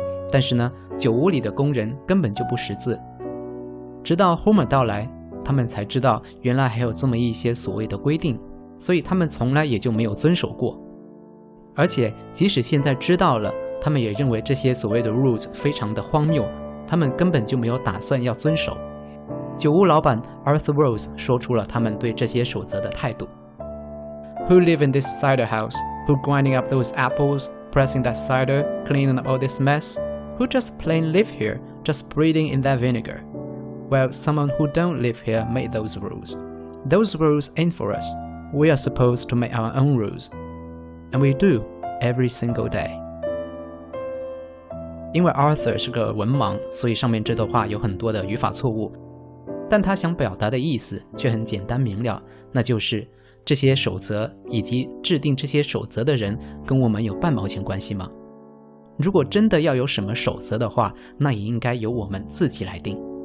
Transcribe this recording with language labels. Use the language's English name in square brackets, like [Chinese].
[Chinese] 但是呢，酒屋里的工人根本就不识字，直到 Homer 到来，他们才知道原来还有这么一些所谓的规定，所以他们从来也就没有遵守过。而且即使现在知道了，他们也认为这些所谓的 rules 非常的荒谬，他们根本就没有打算要遵守。酒屋老板 Arthur Rose 说出了他们对这些守则的态度。 [English] Who live in this cider house? Who grinding up those apples? Pressing that cider? Cleaning up all this mess? Who just plain live here? Just breathing in that vinegar? Well, someone who don't live here made those rules. Those rules ain't for us. We are supposed to make our own rules. And we do, every single day. [Chinese] 因为 Arthur 是个文盲，所以上面这段话有很多的语法错误，但他想表达的意思却很简单明了，那就是这些守则以及制定这些守则的人跟我们有半毛钱关系吗？如果真的要有什么守则的话，那也应该由我们自己来定。